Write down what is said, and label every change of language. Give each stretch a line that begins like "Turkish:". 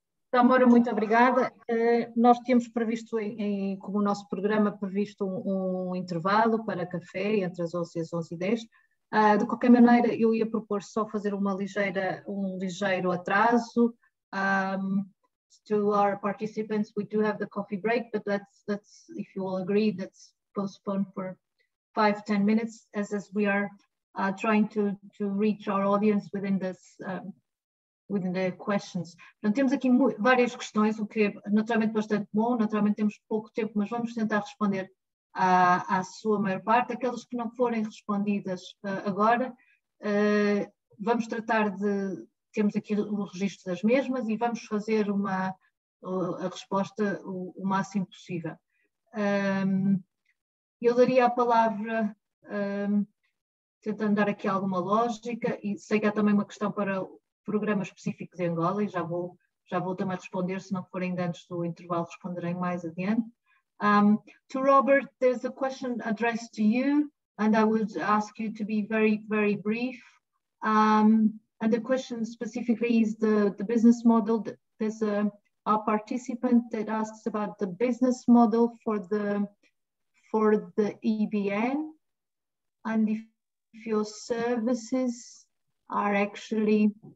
Portuguese: Tamora, muito obrigada. Nós tínhamos previsto, como nosso programa, previsto um intervalo para café entre as 11 e as 11:10. De qualquer maneira, eu ia propor só fazer um ligeiro atraso.
English: To our participants, we do have the coffee break, but that's if you all agree, that's postponed for 5-10 minutes, as we are trying to reach our audience within this within the questions.
Portuguese: Portanto, temos aqui várias questões, o que é naturalmente bastante bom. Naturalmente temos pouco tempo, mas vamos tentar responder à sua maior parte. Aquelas que não forem respondidas agora, vamos tratar de... Temos aqui o registro das mesmas e vamos fazer a resposta o máximo possível. Eu daria a palavra, tentando dar aqui alguma lógica, e sei que há também uma questão para programas específicos em Angola, e já vou também responder, se não forem antes do intervalo, responderei mais adiante.
English: To Robert, there's a question addressed to you, and I would ask you to be very, very brief. And the question specifically is the business model. There's a participant that asks about the business model for the EBN, and if your services are actually...